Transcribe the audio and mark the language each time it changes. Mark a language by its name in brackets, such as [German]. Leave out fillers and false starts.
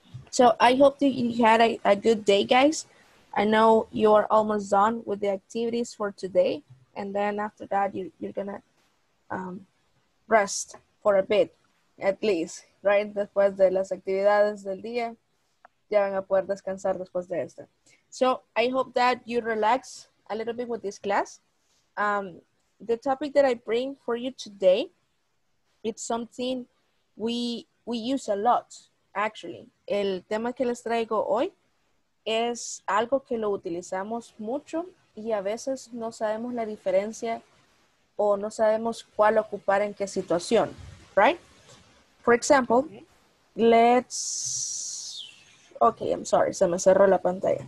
[English] So I hope that you had a good day, guys. I know you are almost done with the activities for today. And then after that, you're going to rest for a bit, at least, right? [Spanish] Después de las actividades del día, ya van a poder descansar después de esta. [English] So I hope that you relax a little bit with this class. The topic that I bring for you today, it's something we use a lot, actually. [Spanish] El tema que les traigo hoy es algo que lo utilizamos mucho y a veces no sabemos la diferencia o no sabemos cuál ocupar en qué situación, right? [English] For example, okay, I'm sorry, [Spanish] se me cerró la pantalla.